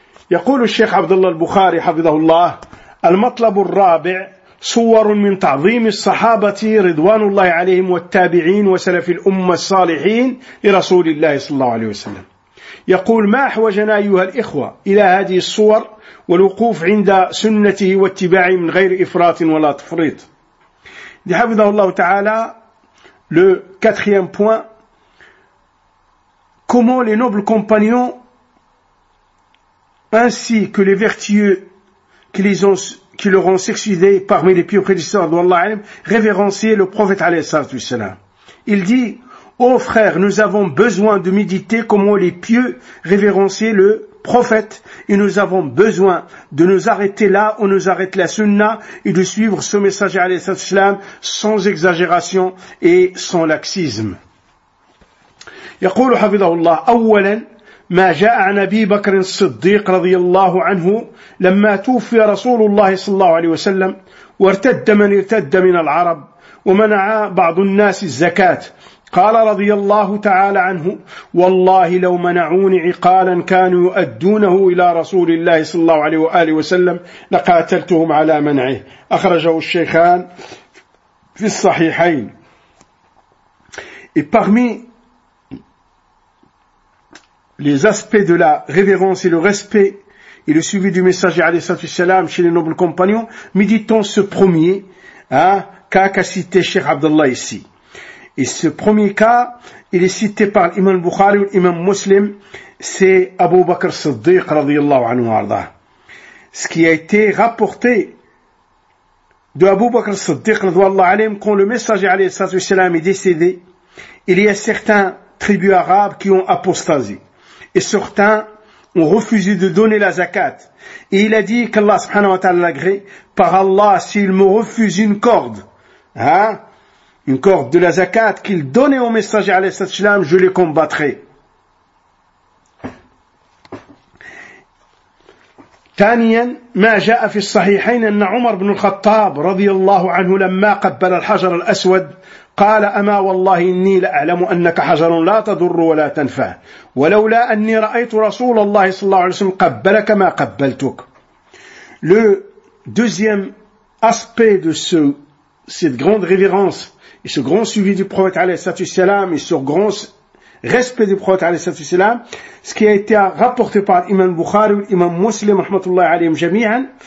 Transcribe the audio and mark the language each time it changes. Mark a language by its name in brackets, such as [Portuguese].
[Arabic] يقول الشيخ عبد الله البخاري حفظه الله: المطلب الرابع صور من تعظيم الصحابة رضوان الله عليهم والتابعين وسلف الأمة الصالحين لرسول الله صلى الله عليه وسلم. يقول: ما أحوجنا أيها الإخوة إلى هذه الصور والوقوف عند سنته واتباعه من غير إفراط ولا تفريط. حفظه الله تعالى [French] le quatrième point, comment les nobles compagnons ainsi que les vertueux qui leur ont succédé parmi les pieux prédécesseurs d'Allah, révérencier le prophète alayhi salatu salam. Il dit: ô frères, nous avons besoin de méditer comment les pieux révérencier le prophète, et nous avons besoin de nous arrêter là où nous arrête la sunna et de suivre ce messager alayhi salatu salam sans exagération et sans laxisme. [Arabic] Yaqulu hafidhahullah, awwalan ما جاء عن أبي بكر الصديق رضي الله عنه لما توفي رسول الله صلى الله عليه وسلم وارتد من ارتد من العرب ومنع بعض الناس الزكاة قال رضي الله تعالى عنه والله لو منعوني عقالا كانوا يؤدونه إلى رسول الله صلى الله عليه وآله وسلم لقاتلتهم على منعه أخرجه الشيخان في الصحيحين. [French] Les aspects de la révérence et le respect et le suivi du messager alayhi salatu salam chez les nobles compagnons, méditons ce premier, qu'a cité Cheikh Abdallah ici. Et ce premier cas, il est cité par l'imam Bukhari ou l'imam Muslim, c'est Abu Bakr Siddiq radiyallahu anhu arda. Ce qui a été rapporté de Abu Bakr Siddiq radiyallahu anhu, quand le messager alayhi salam est décédé, il y a certains tribus arabes qui ont apostasé. Et certains ont refusé de donner la zakat. Et il a dit qu'Allah subhanahu wa ta'ala l'agré, par Allah, s'il me refuse une corde, hein, une corde de la zakat qu'il donnait au messager alayhi salam, je les combattrai. [Arabic] ثانيا ما جاء في الصحيحين أن عمر بن الخطاب رضي الله عنه لما قبل الحجر الأسود قال أما والله إني لأعلم أنك حجر لا تضر ولا تنفع ولولا أني رأيت رسول الله صلى الله عليه وسلم قبلك ما قبلتك. [French] Le deuxième aspect de cette grande révérence et ce grand suivi du prophète [Arabic] عليه الصلاة والسلام [French] et ce grand respect du prophète alayhi salatu wassalam, ce qui a été rapporté par l'imam Bukhari ou l'imam Muslim rahmatullahi alayhim jami'an,